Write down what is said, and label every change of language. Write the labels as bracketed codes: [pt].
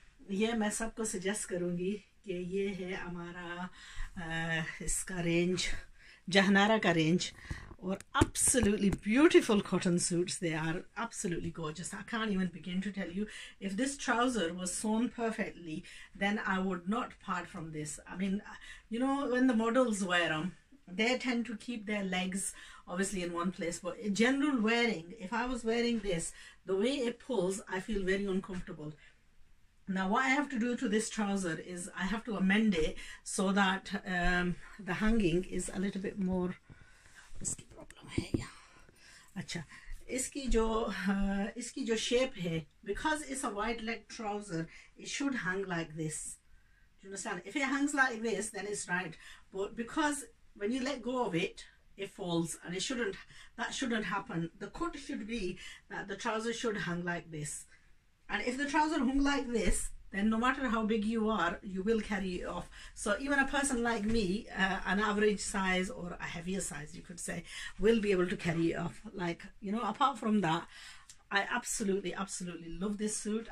[hi] ये मैं सबको सजेस्ट करूँगी कि ये है हमारा इसका रेंज, जहनारा का रेंज, और [en] Absolutely beautiful cotton suits, they are absolutely gorgeous. I can't even begin to tell you, if this trouser was sewn perfectly then I would not part from this. I mean you know when the models wear them, they tend to keep their legs obviously in one place, but in general wearing, if I was wearing this, the way it pulls, I feel very uncomfortable. Now what I have to do to this trouser is I have to amend it so that the hanging is a little bit more. [hi] इसकी problem है यहाँ। अच्छा, इसकी जो shape है, [en] Because it's a wide leg trouser it should hang like this, you understand, if it hangs like this then it's right, but because when you let go of it it falls and it shouldn't, that shouldn't happen. The cut should be that the trouser should hang like this, and if the trouser hung like this then no matter how big you are you will carry it off. So even a person like me, an average size or a heavier size you could say, will be able to carry it off. Like, you know, apart from that, I absolutely absolutely love this suit.